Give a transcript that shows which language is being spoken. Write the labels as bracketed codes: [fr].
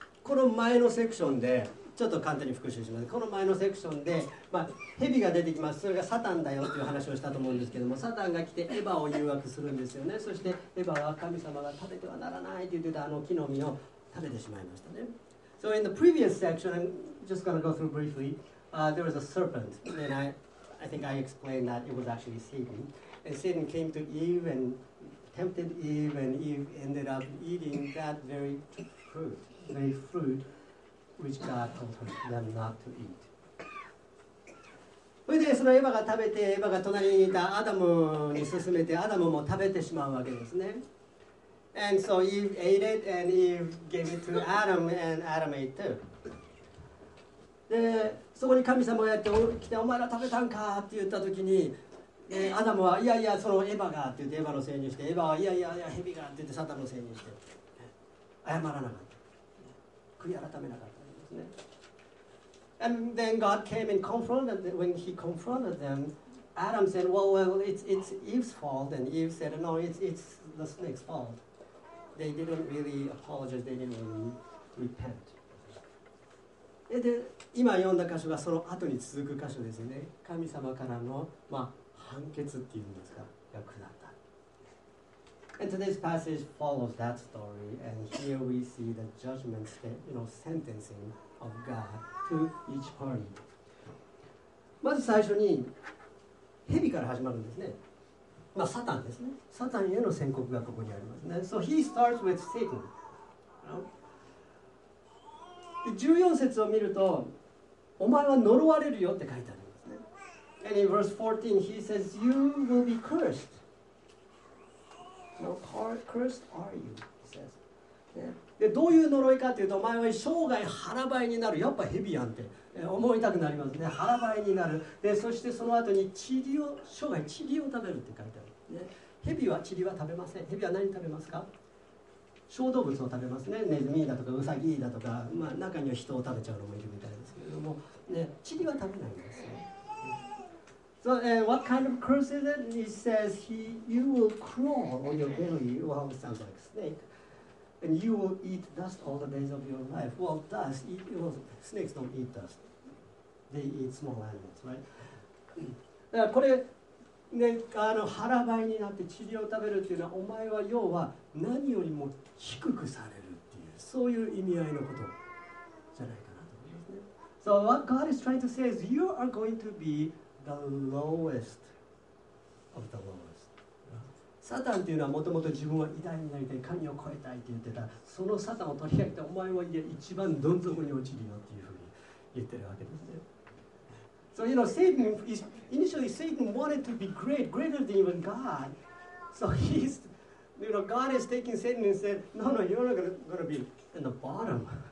[ja] この前のセクションでちょっと簡単に復習します。この前のセクションで、まあ、蛇が出てきます。それがサタンだよという話をしたと思うんですけども、サタンが来てエヴァを誘惑するんですよね。そしてエヴァは神様が食べてはならないと言ってたあの木の実を食べてしまいましたね。 [en] So in the previous section, I'm just going to go through briefly, there was a serpent, and I think I explained that it was actually Satan. And Satan came to Eve and tempted Eve, and Eve ended up eating that very fruit, which God told them not to eat. [ja] それでそのエヴァが食べて、エヴァが隣にいたアダムに勧めて、アダムも食べてしまうわけですね。 [en] And so Eve ate it, and Eve gave it to Adam, and Adam ate too. [ja] で、そこに神様がやって来て、お前ら食べたんかって言った時に、アダムはいやいや、そのエヴァがって言って、エヴァのせいにして、エヴァはいやいや、ヘビがって言って、サタンのせいにして、謝らなかった。悔い改めなかったんですね。 [en] And then God came and confronted them. When he confronted them, Adam said, well, it's Eve's fault. And Eve said, no, it's the snake's fault. They didn't really apologize, they didn't really repent. [ja] で、今読んだ箇所がその後に続く箇所ですね。神様からの、まあ、判決っていうんですか、が下った。 [en] And today's passage follows that story, and here we see the judgment, you know, sentencing of God to each party. [ja] まず最初に、蛇から始まるんですね。まあ、サタンですね。サタンへの宣告がここにありますね。 [en] So he starts with Satan. [ja] で、14節を見ると、お前は呪われるよって書いてありますね。 [en] And in verse 14, he says, you will be cursed. No, cursed are you, he says. [ja] で、どういう呪いかというと、お前は生涯腹ばいになる。やっぱヘビやんって思いたくなりますね。腹ばいになる。で、そしてその後に塵を、生涯塵を食べるって書いてある。ヘビは塵は食べません。ヘビは何食べますか？小動物を食べますね。ネズミだとかウサギだとか、まあ、中には人を食べちゃうのもいるみたいですけれども、ね、塵は食べないんですね。 [en] So, what kind of curse is it? He says, you will crawl on your belly. Well, it sounds like a snake. And you will eat dust all the days of your life. Well, dust, snakes don't eat dust. They eat small animals, right? [ja] これね、腹ばいになって塵を食べるっていうのは、お前は要は何よりも低くされるっていう、そういう意味合いのことじゃないかなと思いますね。 [en] So what God is trying to say is you are going to be the lowest of the lowest. [ja] サタンっていうのはもともと自分は偉大になりたい、神を超えたいって言ってた。そのサタンを取り上げて、お前は一番どん底に落ちるよっていうふうに言ってるわけですね。 [en] So you know, Satan wanted to be great, greater than even God. So he's, you know, God is taking Satan and said, "No, you're not going to be in the bottom."